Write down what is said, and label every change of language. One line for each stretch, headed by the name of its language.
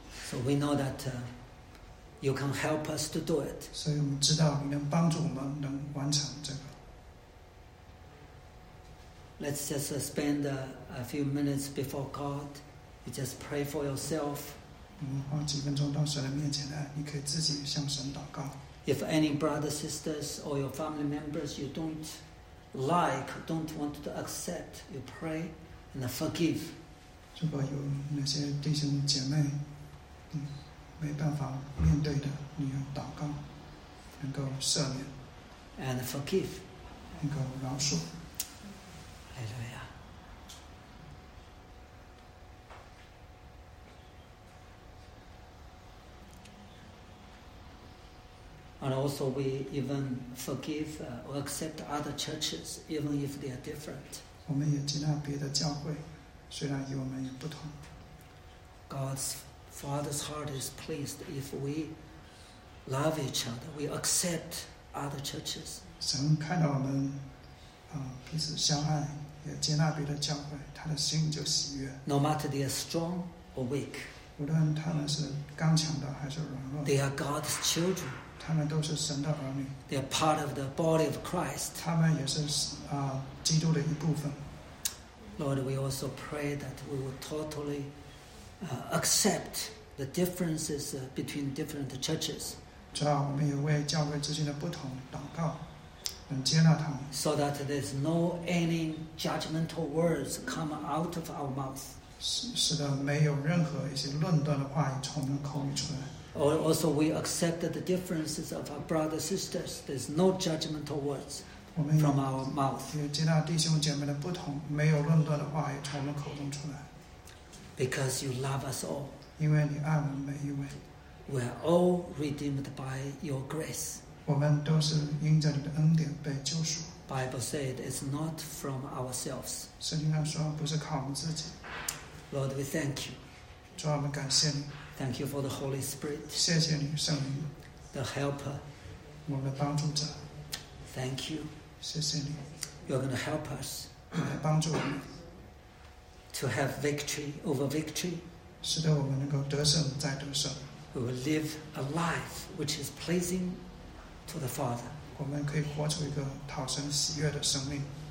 English: So we know that you can help us to do it.
Chinese: 所以我们知道你能帮助我们能完成这个。
English: Let's just spend a few minutes before God. You just pray for yourself.
Chinese: 花几分钟到神的面前来，你可以自己向神祷告。
English: If any brothers, sisters, or your family members you don't like, don't want to accept, you pray. And forgive.
Chinese: 如果有那些弟兄姐妹，没办法面对的，你要祷告，能够赦免。
English: And forgive.
Chinese: 能够饶恕。
English: Hallelujah. And also, we even forgive or accept other churches, even if they are different.
Chinese: 我们也接纳别的教会，虽然与我们也不同。
English: God's Father's heart is pleased if we love each other. We accept other churches.
Chinese: 神看到我们，彼此相爱，也接纳别的教会，他的心就喜悦。
English: No matter they are strong or weak.
Chinese: 无论他们是刚强的还是软弱。
English: They are God's children.
Chinese: 他们都是神的儿女。
English: They are part of the body of Christ.
Chinese: 他们也是基督的一部分。
English: Lord, we also pray that we will totally accept the differences between different churches.
Chinese: 主要我们也为教会之间的不同祷告，能接纳他们。
English: So that there's no any judgmental words come out of our mouth.
Chinese: 使得没有任何一些论断的话语从我们口里出来。
English: Also, we accept the differences of our brothers and sisters. There's no judgmental words from our mouth.
Chinese: 也接纳弟兄姐妹的不同，没有论断的话语从我们口中出来。
English: Because you love us all.
Chinese: 因为你爱我们每一位。
English: We are all redeemed by your grace.
Chinese: 我们都是因着你的恩典被救赎。
English: Bible said it's not from ourselves.
Chinese: 圣经上说不是靠我们自己。
English: Lord, we thank you.
Chinese: 主啊，我们感谢你。
English: Thank you for the Holy Spirit.
Chinese: 谢谢你，圣灵。
English: The Helper.
Chinese: 我们的帮助者。
English: Thank you.
Chinese: 谢谢你。
English: You're going to help us.
Chinese: 来帮助我们。
English: To have victory over victory.
Chinese: 使得我们能够得胜再得胜。
English: We will live a life which is pleasing to the Father.
Chinese: 我们可以活出一个讨神喜悦的生命。